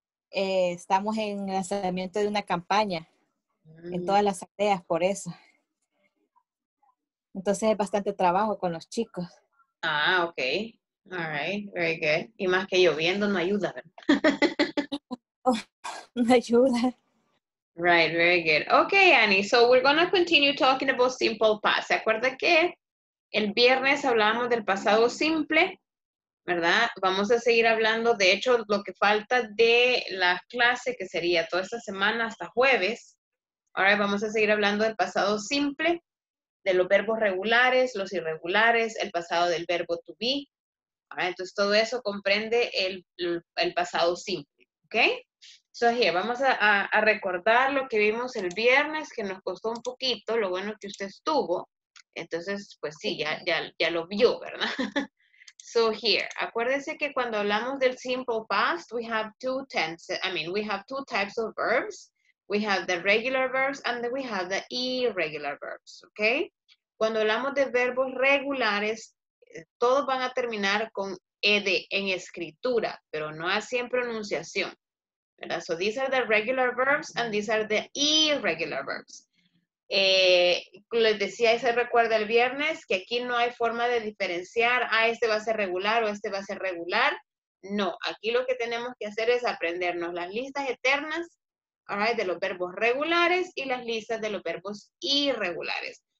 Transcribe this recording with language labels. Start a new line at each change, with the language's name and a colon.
Spanish: Estamos en el lanzamiento de una campaña. Mm. En todas las áreas, por eso. Entonces, es bastante trabajo con los chicos.
English: Ah, okay. All right, very good.
Spanish: Y más que lloviendo, no ayuda. No ayuda.
English: Right, very good. Okay, Annie, so we're going to continue talking about simple past.
Spanish: ¿Se acuerda que el viernes hablamos del pasado simple? ¿Verdad? Vamos a seguir hablando. De hecho, lo que falta de la clase, que sería toda esta semana hasta jueves. Ahora vamos a seguir hablando del pasado simple, de los verbos regulares, los irregulares, el pasado del verbo to be. Entonces, todo eso comprende el pasado simple, ¿ok?
English: So, here,
Spanish: vamos a recordar lo que vimos el viernes, que nos costó un poquito, lo bueno que usted estuvo. Entonces, pues sí, ya lo vio, ¿verdad?
English: So, here,
Spanish: acuérdese que cuando hablamos del
English: simple past, we have two tenses, I mean, we have two types of verbs. We have the regular verbs and then we have the irregular verbs, ¿ok?
Spanish: Cuando hablamos de verbos regulares, todos van a terminar con ed en escritura, pero no así en pronunciación, ¿verdad?
English: So these are the regular verbs and these are the irregular verbs.
Spanish: Les decía, se recuerda el viernes, que aquí no hay forma de diferenciar, ah, este va a ser regular o este va a ser regular. No, aquí lo que tenemos que hacer es aprendernos las listas eternas,
English: all right,
Spanish: de los verbos regulares y las listas de los verbos irregulares.